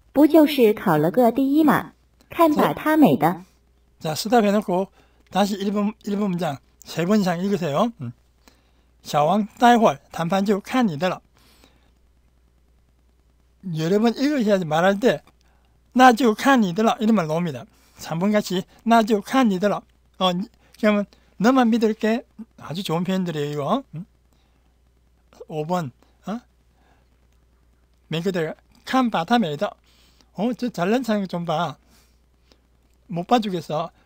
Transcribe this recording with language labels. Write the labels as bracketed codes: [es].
[zh] 小王待会儿谈判就看你的了小王待会儿谈判就看你的了你朋友的死活就看你的决定了你朋友的死活就看你的决定了那就看你的了那就看你的了看把你高兴的看把你高兴的不就是考了个第一嘛看把他美的不就是考了个第一嘛看把他美的 [ko] 자, 스탑 해놓고 다시 1번 문장 3번 이상 읽으세요. [zh] 小王, 待会儿, 谈判就看你的了. [ko] 여러분 읽으셔야지 말할 때 나 [zh] 就看你的了 [ko] 이런 말 나옵니다. 3번같이 나 [zh] 就看你的了 [ko] 그러면 너만 믿을게. 아주 좋은 표현들이에요 이거. 5번 맨 그대로 [zh] 看把他美的 [ko] 저 잘난 사람 좀 봐. 못 봐주겠어.